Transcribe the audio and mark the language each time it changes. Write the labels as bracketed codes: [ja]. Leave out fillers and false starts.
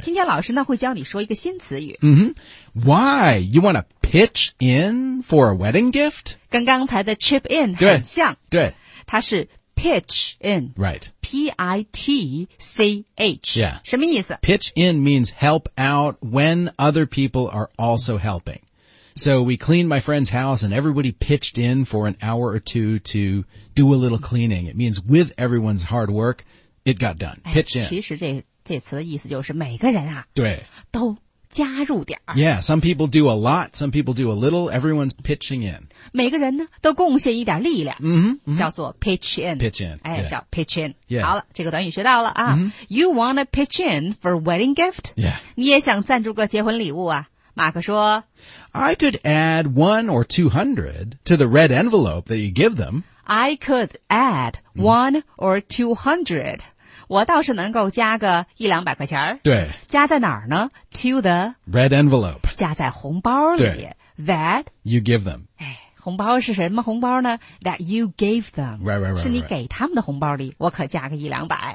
[zh] 今天老师呢会教你说一个新词语。 [en] Why? You want to pitch in for a wedding gift? [zh] 跟刚才的 chip in 很像。对。它是Pitch in. [en] Right. P-I-T-C-H. Yeah. [zh] 什么意思? [en] Pitch in means help out when other people are also helping. So we cleaned my friend's house and everybody pitched in for an hour or two to do a little cleaning. It means with everyone's hard work, it got done. Pitch in. [zh] 其实这词的意思就是每个人啊。对。都加入点。 [en] Yeah, some people do a lot, some people do a little, everyone's pitching in. [zh] 每个人呢都贡献一点力量。叫做 pitch in. [en] Pitch in. 哎、 yeah. [zh] 叫 pitch in.、 [en] Yeah. [zh] 好了这个短语学到了啊。 [en] You wanna pitch in for a wedding gift? Yeah. [zh] 你也想赞助个结婚礼物啊马克说 [en] I could add 100 or 200 to the red envelope that you give them. I could add 100 or 200. [zh] 我倒是能够加个一两百块钱对。加在哪儿呢 ? [en] to the red envelope. [zh] 加在红包里。对。 [en] That you give them. [zh] 哎红包是什么红包呢 ? [en] That you gave them. Right. [zh] 是你给他们的红包里我可加个一两百。